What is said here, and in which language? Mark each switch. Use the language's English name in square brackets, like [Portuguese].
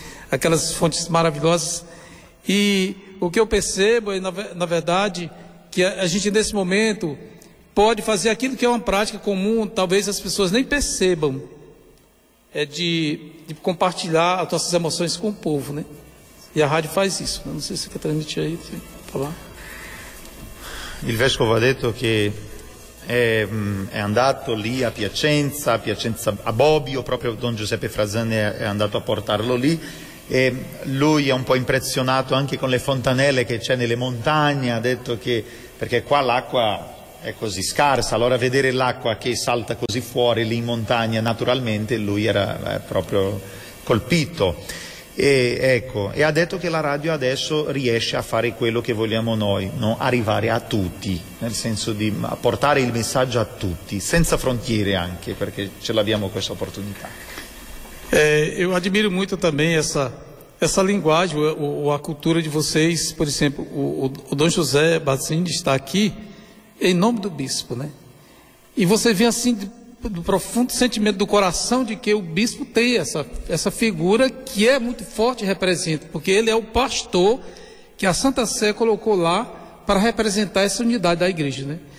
[Portuguese] Aquelas fontes maravilhosas. E o que eu percebo é, na verdade, que a gente nesse momento pode fazer aquilo que é uma prática comum, talvez as pessoas nem percebam, é de compartilhar as nossas emoções com o povo, né? E a radio faz isso, [Italian] non so se che transmette [Portuguese] aí, falar. [Italian] Il vescovo ha detto che è andato lì a Piacenza, a Bobbio, proprio Don Giuseppe Frazzani è andato a portarlo lì, E lui è un po' impressionato anche con le fontanelle che c'è nelle montagne, ha detto che perché qua l'acqua è così scarsa, allora vedere l'acqua che salta così fuori lì in montagna naturalmente lui era proprio colpito. E ecco, e ha detto che la radio adesso riesce a fare quello che vogliamo noi, no? Arrivare a tutti, nel senso di portare il messaggio a tutti, senza frontiere anche, perché ce l'abbiamo questa opportunità. [Portuguese] Eu admiro muito também essa linguagem, a cultura de vocês. Por exemplo, o Dom José Bacini está aqui em nome do bispo, né? E você vê assim do profundo sentimento do coração de que o bispo tem essa figura que é muito forte e representa, porque ele é o pastor que a Santa Sé colocou lá para representar essa unidade da igreja, né?